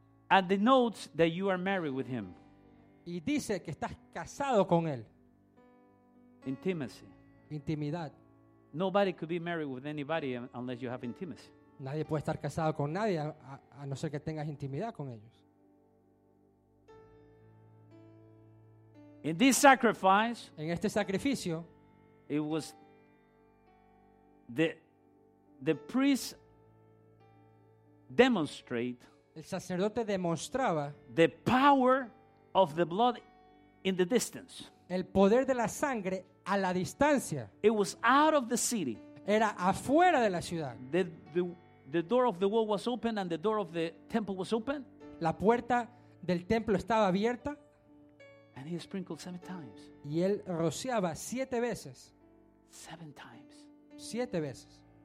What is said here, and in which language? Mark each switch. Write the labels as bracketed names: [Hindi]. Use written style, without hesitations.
[English] and denotes that you are married with him, [Spanish] y dice que estás casado con él. [English] Intimacy, [Spanish] intimidad. [English] Nobody could be married with anybody unless you have intimacy. [Spanish] Nadie puede estar casado con nadie a no ser que tengas intimidad con ellos. [English] In this sacrifice, [Spanish] en este sacrificio, [English] it was the priest demonstrate, [Spanish] el sacerdote demostraba, [English] the power of the blood in the distance, [Spanish] el poder de la sangre a la distancia. [English] It was out of the city, [Spanish] era afuera de la ciudad. [English] The door of the wall was open and the door of the temple was open, [Spanish] la puerta del templo estaba abierta. [English] And he sprinkled 7 times. [Spanish] Y él rociaba 7 veces. [English] 7 times. [Spanish] 7 veces.